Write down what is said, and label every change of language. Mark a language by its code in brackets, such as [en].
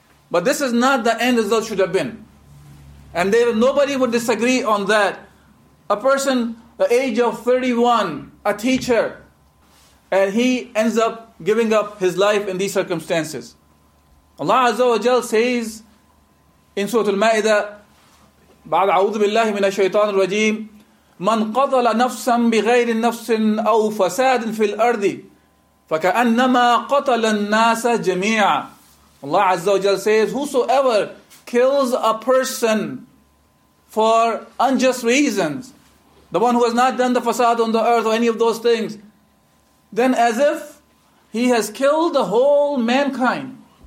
[en] But this is not the end result should have been. And there, nobody would disagree on that. A person, the age of 31, a teacher, and he ends up giving up his life in these circumstances. Allah Azza wa Jal says In Surah Al-Ma'idah, [ar] بعد أعوذ بالله من الشيطان الرجيم من قتل نفسا بغير نفس أو فساد في الأرض فكأنما قتل الناس جميعا. [en] Allah Azza wa Jalla says, whosoever kills a person for unjust reasons, the one who has not done the fasad on the earth or any of those things, then as if he has killed the whole mankind.